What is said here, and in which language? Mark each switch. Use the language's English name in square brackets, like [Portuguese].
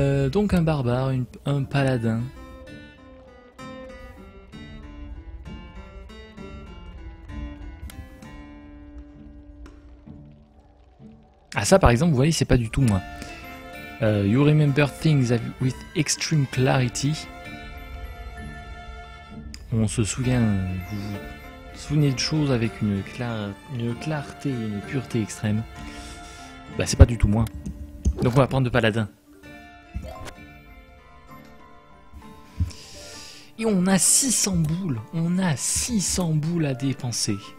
[French] Donc un barbare, un paladin... Ah ça par exemple, vous voyez, c'est pas du tout moi. [English] You remember things with extreme clarity. [French] On se souvient, vous souvenez de choses avec une clarté et une pureté extrême. Bah c'est pas du tout moi. Donc on va prendre de paladin. Et on a 600 boules. On a 600 boules à dépenser.